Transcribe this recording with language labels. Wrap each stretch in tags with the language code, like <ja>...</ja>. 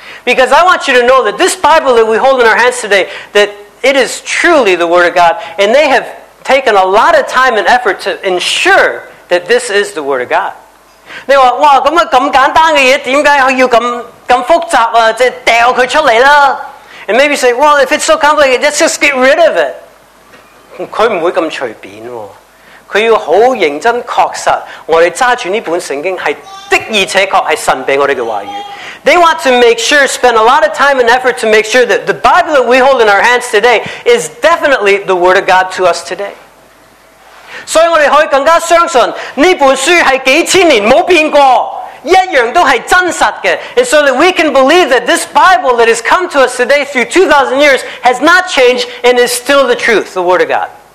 <en>Because I want you to know that this Bible that we hold in our hands today, that it is truly the Word of God, and they have taken a lot of time and effort to ensure that this is the Word of God.</en> <yue>你話哇，咁啊咁簡單嘅嘢，點解要咁？咁複雜啊！即係掉佢出嚟啦。</yue> <en>And maybe say, well, if it's so complicated, let's just get rid of it.</en> <yue>佢唔會咁隨便喎。佢要好認真確實，我哋揸住呢本聖經係的而且確係神俾我哋嘅話語。</yue> <en>They want to make sure, spend a lot of time and effort to make sure that the Bible that we hold in our hands today is definitely the Word of God to us today.</en> <yue>所以我哋可以更加相信呢本書係幾千年冇變過。一樣都係真實嘅</yue> <en>，and so that we can believe that this Bible that has come to us today through 2,000 years has not changed and is still the truth, the Word of God.</en>